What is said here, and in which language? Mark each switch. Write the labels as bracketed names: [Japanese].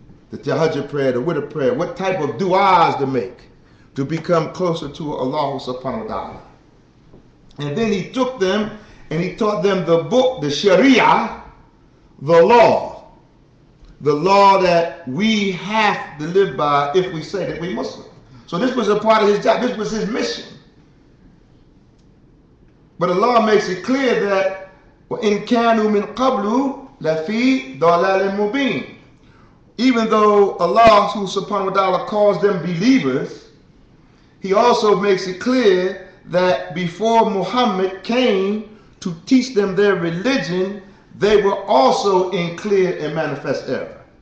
[English] The tahajjud prayer, the witr prayer, what type of du'as to make to become closer to Allah subhanahu wa ta'ala. And then he took them and he taught them the book, the sharia, the law that we have to live by if we say that we're Muslim. So this was a part of his job, this was his mission. But Allah makes it clear that [Arabic] وَإِن كَانُوا مِن قَبْلُ لَفِي ضَلَالٍ مُبِينٍ. [English] Even though Allah subhanahu wa ta'ala calls them believers, he also makes it clear that before Muhammad came to teach them their religion, they were also in clear and manifest error.